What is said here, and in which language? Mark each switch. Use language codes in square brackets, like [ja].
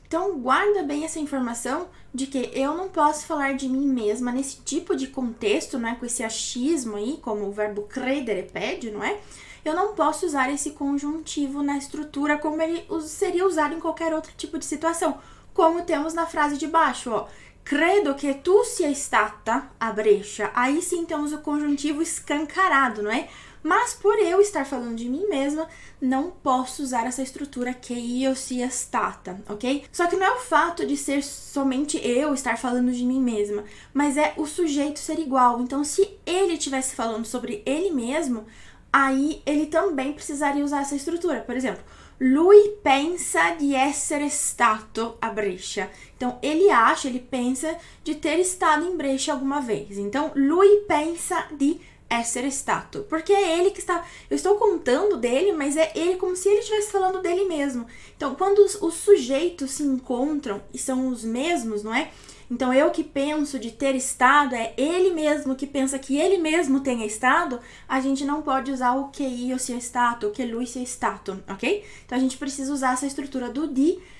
[pt] Então guarda bem essa informação de que eu não posso falar de mim mesma nesse tipo de contexto, não é? Com esse achismo aí, como o verbo credere pede, não é? Eu não posso usar esse conjuntivo na estrutura como ele seria usado em qualquer outro tipo de situação, como temos na frase de baixo, ó. [it] Credo che tu sia stata a Brescia. [pt] Aí sim temos o conjuntivo escancarado, não é? Mas por eu estar falando de mim mesma, não posso usar essa estrutura [it] che io sia stata, [pt] ok? Só que não é o fato de ser somente eu estar falando de mim mesma, mas é o sujeito ser igual. Então, se ele estivesse falando sobre ele mesmo, aí ele também precisaria usar essa estrutura. Por exemplo, [it] lui pensa di essere stato a Brescia. [pt] Então, ele acha, ele pensa de ter estado em Brescia alguma vez. Então, [it] lui pensa di essere stato. [pt] Porque é ele que está. Eu estou contando dele, mas é ele como se ele estivesse falando dele mesmo. Então, quando os sujeitos se encontram e são os mesmos, não é? Então, eu que penso de ter estado, é ele mesmo que pensa que ele mesmo tenha estado, a gente não pode usar o [it] che io sia stato, [pt] o [it] che lui sia stato, [pt] ok? Então, a gente precisa usar essa estrutura do di